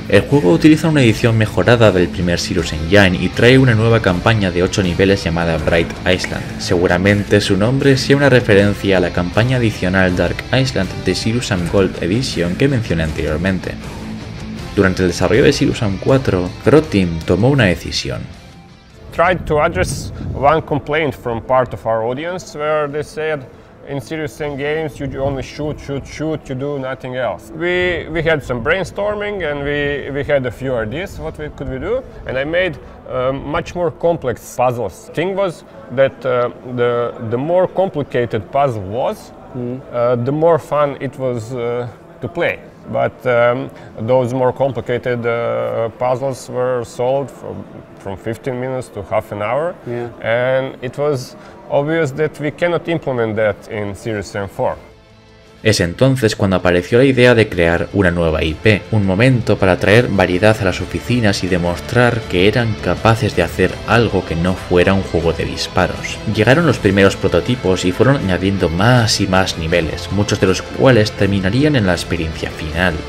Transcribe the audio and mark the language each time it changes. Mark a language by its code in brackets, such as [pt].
[es] El juego utiliza una edición mejorada del primer Serious Engine y trae una nueva campaña de 8 niveles llamada Bright Island. Seguramente su nombre sea una referencia a la campaña adicional Dark Island de Serious Sam Gold Edition que mencioné anteriormente. Durante el desarrollo de Serious Sam 4, Croteam tomó una decisión. [en] Tried to address one complaint from part of our audience where they said in Serious Sam games you only shoot, you do nothing else. We had some brainstorming and we had a few ideas what we could we do, and I made much more complex puzzles. Thing was that the more complicated puzzle was, the more fun it was to play. But those more complicated puzzles were solved from 15 minutes to half an hour. Yeah. And it was obvious that we cannot implement that in Serious Sam 4. [es] Es entonces cuando apareció la idea de crear una nueva IP, un momento para traer variedad a las oficinas y demostrar que eran capaces de hacer algo que no fuera un juego de disparos. Llegaron los primeros prototipos y fueron añadiendo más y más niveles, muchos de los cuales terminarían en la experiencia final.